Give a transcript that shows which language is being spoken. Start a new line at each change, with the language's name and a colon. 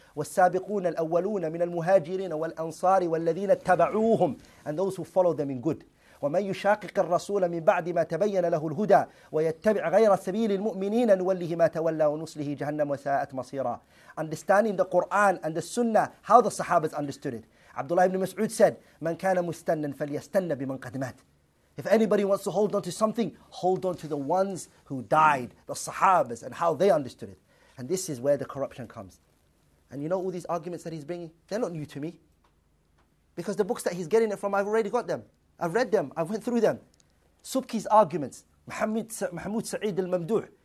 Arabic: وَالسَّابِقُونَ الْأَوَّلُونَ مِنَ الْمُهَاجِرِينَ وَالْأَنصَارِ وَالَّذِينَ اتَّبَعُوهُمْ,
English: and those who follow them in good.
Arabic: وَمَنْ يُشَاقِقَ الرَّسُولَ مِنْ بَعْدِ مَا تَبَيَّنَ لَهُ الْهُدَى وَيَتَّبِعْ غَيْرَ سَبِيلِ الْمُؤْمِنِينَ نُوَلِّهِ مَا تَوَلَّى وَنُصْلِهِ جَهَنَّمَ وَسَاءَتْ مَصِيرًا.
English: Understanding the Quran and the Sunnah, how the Sahabas understood it. Abdullah ibn Mas'ud said,
Arabic: مَنْ كَانَ مُسْتَنًّا فَلْيَسْتَنَّ بِمَنْ قَدْ مَاتْ.
English: If anybody wants to hold on to something, hold on to the ones who died, the Sahabas, and how they understood it. And this is where the corruption comes. And you know all these arguments that he's bringing? They're not new to me. Because the books that he's getting it from, I've already got them. I've read them. I went through them. Subki's arguments. Muhammad Sa'id al-Mamdu'h.